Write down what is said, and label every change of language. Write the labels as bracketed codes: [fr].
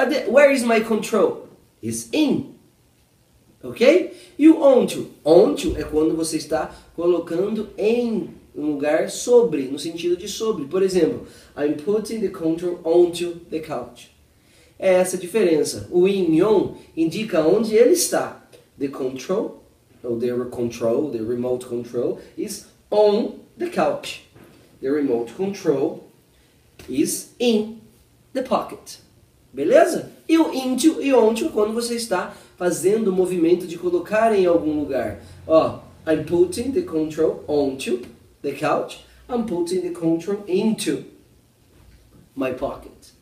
[en] Where is my control? It's in. Ok? [pt] E o onto? Onto é quando você está colocando em um lugar sobre, no sentido de sobre. Por exemplo, [en] I'm putting the control onto the couch. [pt] É essa a diferença. O in e on indica onde ele está. [en] The control, ou the control, the remote control, is on the couch. The remote control is in the pocket. [pt] Beleza? E o into e onto é quando você está fazendo o movimento de colocar em algum lugar. [en] Ó, I'm putting the control onto the couch, I'm putting the control into my pocket.